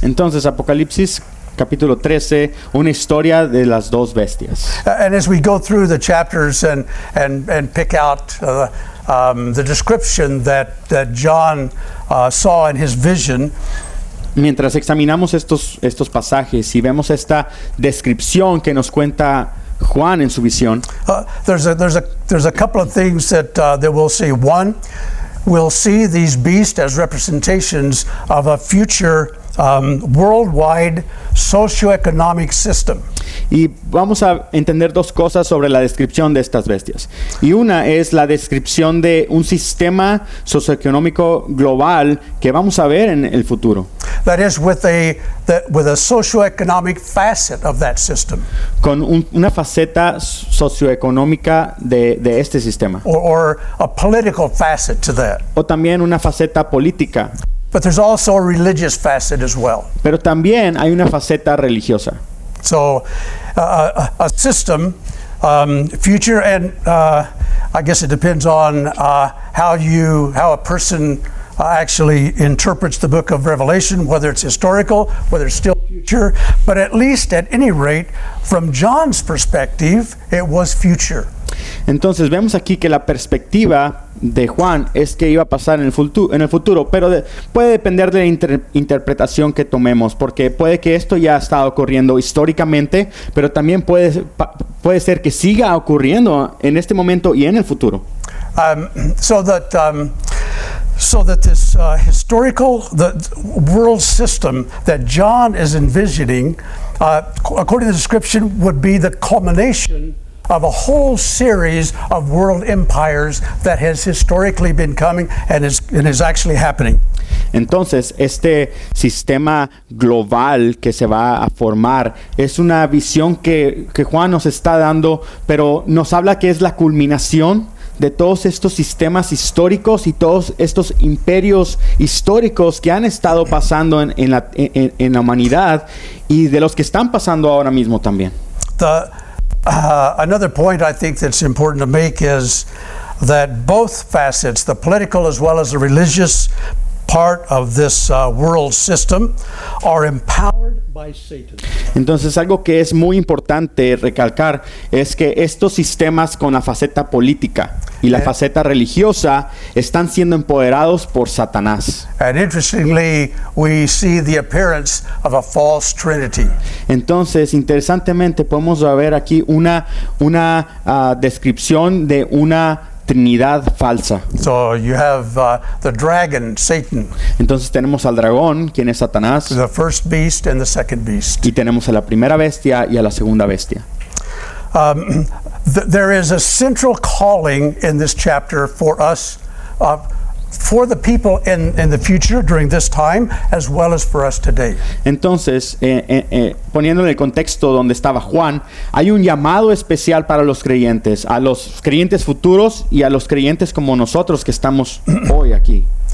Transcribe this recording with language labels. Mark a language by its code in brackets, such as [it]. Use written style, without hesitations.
[es] Entonces, Apocalipsis capítulo 13, una historia de las dos bestias. [en] And as we go through the chapters and pick out the description that John saw in his vision, [es] mientras examinamos estos pasajes y vemos esta descripción que nos cuenta Juan en su visión, [en] there's a couple of things that we'll see. One, we'll see these beasts as representations of a future worldwide socioeconomic system. [es] Y vamos a entender dos cosas sobre la descripción de estas bestias. Y una es la descripción de un sistema socioeconómico global que vamos a ver en el futuro. [en] That is with a socioeconomic facet of that system. [es] Con una faceta socioeconómica de este sistema. [en] Or a political facet to that. [es] O también una faceta política. [en] But there's also a religious facet as well. [es] Pero también hay una faceta religiosa. [en] So, a system, future, and I guess it depends on how a person actually interprets the book of Revelation, whether it's historical, whether it's still future. But at least, at any rate, from John's perspective, it was future. [es] Entonces vemos aquí que la perspectiva de Juan es que iba a pasar en el futuro, pero puede depender de la interpretación que tomemos, porque puede que esto ya ha estado ocurriendo históricamente, pero también puede ser que siga ocurriendo en este momento y en el futuro. [en] So that this historical, the world system that John is envisioning, according to the description, would be the culmination of a whole series of world empires that has historically been coming and is actually happening. [es] Entonces, este sistema global que se va a formar es una visión que Juan nos está dando, pero nos habla que es la culminación de todos estos sistemas históricos y todos estos imperios históricos que han estado pasando en la humanidad y de los que están pasando ahora mismo también. [en] Another point I think that's important to make is that both facets, the political as well as the religious, part of this world system are empowered by Satan. [es] Entonces, algo que es muy importante recalcar es que estos sistemas con la faceta política y la faceta religiosa están siendo empoderados por Satanás. [en] And interestingly, we see the appearance of a false trinity. [es] Entonces, interesantemente, podemos ver aquí una descripción de una Trinidad falsa. [en] So you have the dragon, Satan. [es] Entonces tenemos al dragón, quien es Satanás. [en] The first beast and the second beast. [es] Y tenemos a la primera bestia y a la segunda bestia. [en] There is a central calling in this chapter for us, for the people in the future during this time, as well as for us today. [es] Entonces, poniendo en el contexto donde estaba Juan, hay un llamado especial para los creyentes futuros y a los creyentes como nosotros que estamos hoy aquí.